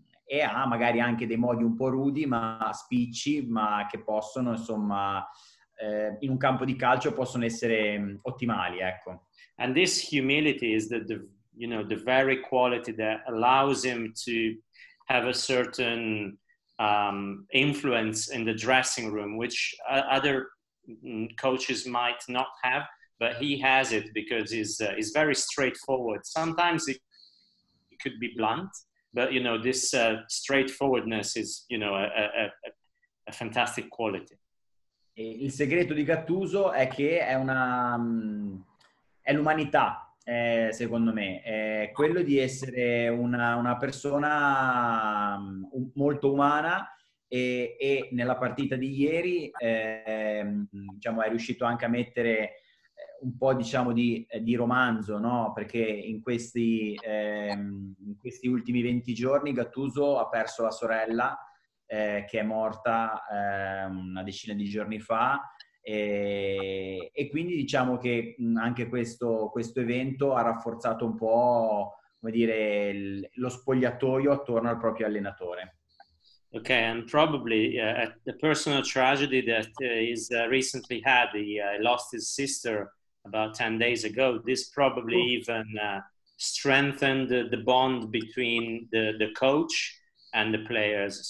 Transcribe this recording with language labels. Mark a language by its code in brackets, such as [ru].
[it] e ha magari anche dei modi un po' rudi, ma spicci, ma che possono, insomma, in un campo di calcio possono essere ottimali, ecco. [en] And this humility is the very quality that allows him to have a certain influence in the dressing room, which other coaches might not have, but he has it because he's very straightforward. Sometimes he could be blunt, but you know, this straightforwardness is, you know, a fantastic quality. [it] Il segreto di Gattuso è che è l'umanità, secondo me, è quello di essere una persona molto umana, e nella partita di ieri diciamo, è riuscito anche a mettere un po', diciamo, di romanzo, no? Perché in questi ultimi 20 giorni Gattuso ha perso la sorella, che è morta una decina di giorni fa, e quindi diciamo che anche questo evento ha rafforzato un po', come dire, lo spogliatoio attorno al proprio allenatore. [en] Okay, and probably a personal tragedy that he's recently had, he lost his sister about 10 days ago, this probably even strengthened the bond between the coach and the players.